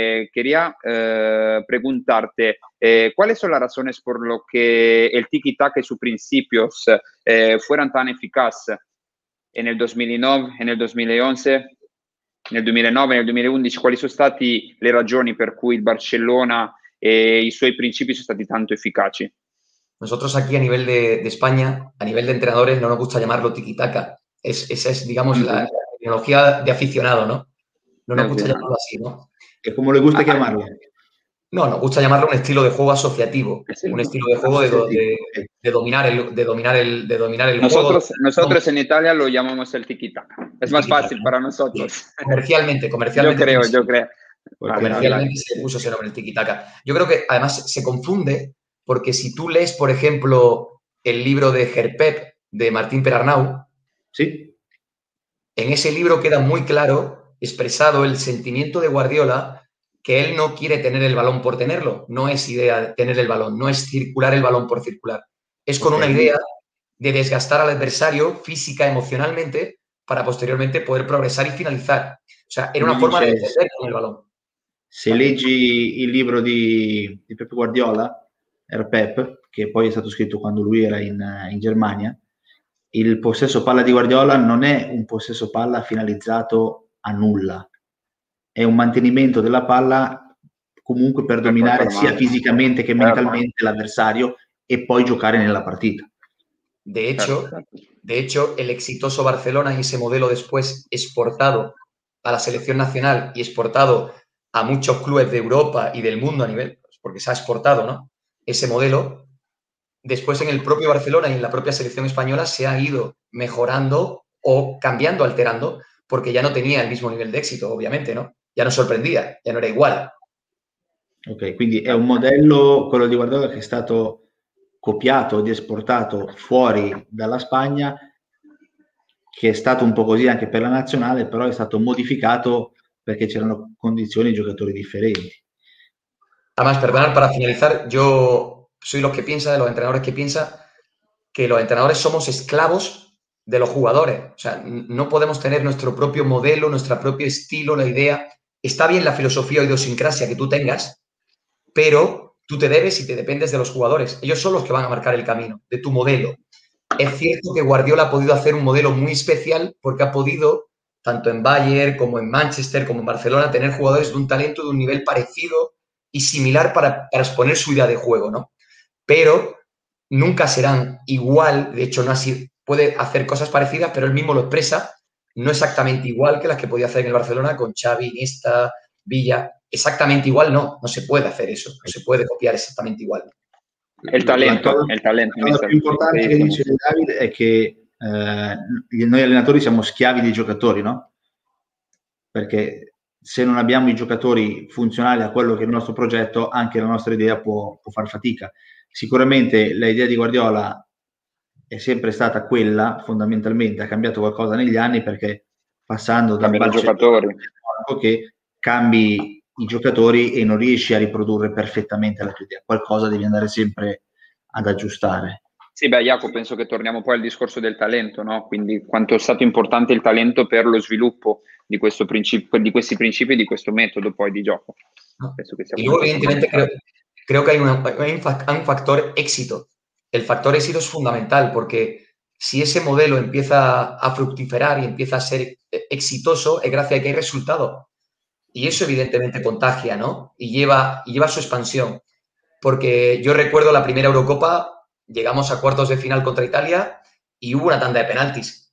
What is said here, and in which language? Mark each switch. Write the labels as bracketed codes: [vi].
[es] Quería preguntarte, ¿cuáles son las razones por lo que el tiki-taka y sus principios fueron tan eficaces en el 2009, en el 2011? [it] Nel 2009, nel 2011, quali sono state le ragioni per cui il Barcellona e i suoi principi sono stati tanto efficaci? [es] Nosotros aquí a nivel de España, a nivel de entrenadores, no nos gusta llamarlo tiki-taka. Es digamos, la tecnología de aficionado, ¿no? No nos gusta llamarlo así, ¿no? ¿Es como le gusta llamarlo? No, nos gusta llamarlo un estilo de juego asociativo. Un estilo de juego de dominar el nosotros, juego. Nosotros en Italia lo llamamos el tiki-taka. Es más fácil para nosotros. Comercialmente. Yo creo. Comercialmente se puso ese nombre, el tiki-taka. Yo creo que además se confunde porque si tú lees, por ejemplo, el libro de Gerpep de Martín Perarnau, ¿sí? En ese libro queda muy claro, expresado el sentimiento de Guardiola, que él no quiere tener el balón por tenerlo. No es idea de tener el balón, no es circular el balón por circular. Es con una idea de desgastar al adversario física, emocionalmente, para posteriormente poder progresar y finalizar. O sea, era una forma de defender con el balón. [it] Se leggi il libro di Pep Guardiola, Erpep, che poi è stato scritto quando lui era in Germania, il possesso palla di Guardiola non è un possesso palla finalizzato a nulla. È un mantenimento della palla comunque per dominare sia fisicamente che mentalmente l'avversario e poi giocare nella partita. [es] De hecho, el exitoso Barcelona y ese modelo después exportado a la selección nacional y exportado a muchos clubes de Europa y del mundo a nivel, porque se ha exportado, ¿no?, ese modelo, después en el propio Barcelona y en la propia selección española se ha ido mejorando o cambiando, alterando, porque ya no tenía el mismo nivel de éxito, obviamente, ¿no? Ya no sorprendía, ya no era igual. [it] Ok, quindi è un modello, quello di Guardiola, che è stato copiato ed esportato fuori dalla Spagna, che è stato un po' così anche per la nazionale, però è stato modificato perché c'erano condizioni e giocatori differenti. [es] Además, perdonad, para finalizar, yo soy los que piensa, de los entrenadores que piensa, que los entrenadores somos esclavos de los jugadores. O sea, no podemos tener nuestro propio modelo, nuestro propio estilo, la idea. Está bien la filosofía o idiosincrasia que tú tengas, pero tú te debes y te dependes de los jugadores. Ellos son los que van a marcar el camino de tu modelo. Es cierto que Guardiola ha podido hacer un modelo muy especial porque ha podido, tanto en Bayern como en Manchester como en Barcelona, tener jugadores de un talento, de un nivel parecido y similar para exponer su idea de juego, ¿no? Pero nunca serán igual, de hecho no ha sido, puede hacer cosas parecidas, pero él mismo lo expresa, no exactamente igual que las que podía hacer en el Barcelona con Xavi, Iniesta, Villa, exactamente igual no, no se puede hacer eso, no se puede copiar exactamente igual. El talento. [it] Lo più importante che dice Davide è che noi allenatori siamo schiavi dei giocatori, no? Perché se non abbiamo i giocatori funzionali a quello che è il nostro progetto, anche la nostra idea può far fatica. Sicuramente l'idea di Guardiola è sempre stata quella, fondamentalmente ha cambiato qualcosa negli anni, perché passando da giocatori che cambi i giocatori e non riesci a riprodurre perfettamente la tua idea, qualcosa devi andare sempre ad aggiustare. Sì, beh, Jacopo, penso che torniamo poi al discorso del talento, no? Quindi quanto è stato importante il talento per lo sviluppo di questo principio, di questi principi, di questo metodo poi di gioco. Penso che sia evidentemente credo che [es] hay un factor éxito. El factor éxito es fundamental, porque si ese modelo empieza a fructificar y empieza a ser exitoso, es gracias a que hay resultados. Y eso evidentemente contagia, ¿no? Y lleva su expansión. Porque yo recuerdo la primera Eurocopa, llegamos a cuartos de final contra Italia y hubo una tanda de penaltis.